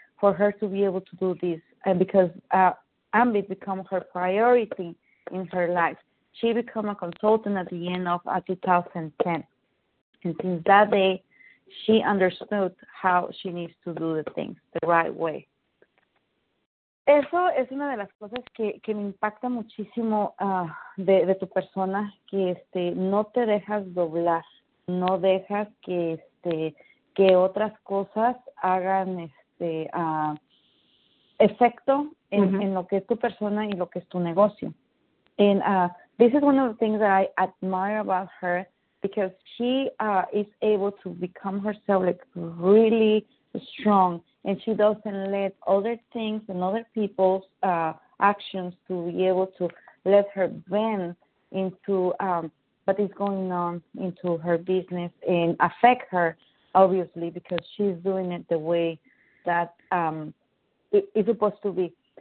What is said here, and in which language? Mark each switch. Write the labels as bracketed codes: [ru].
[en] for her to be able to do this, and because AMBI become her priority in her life. She became a consultant at the end of 2010. And since that day, she understood how she needs to do the things the right way. [es] Eso es una de las cosas que me impacta muchísimo de tu persona, que no te dejas doblar, no dejas que otras cosas hagan efecto en, mm-hmm. en lo que es tu persona y lo que es tu negocio. [en] And this is one of the things that I admire about her, because she is able to become herself like really strong, and she doesn't let other things and other people's actions to be able to let her bend into what is going on into her business and affect her, obviously, because she's doing it the way that it's supposed to be.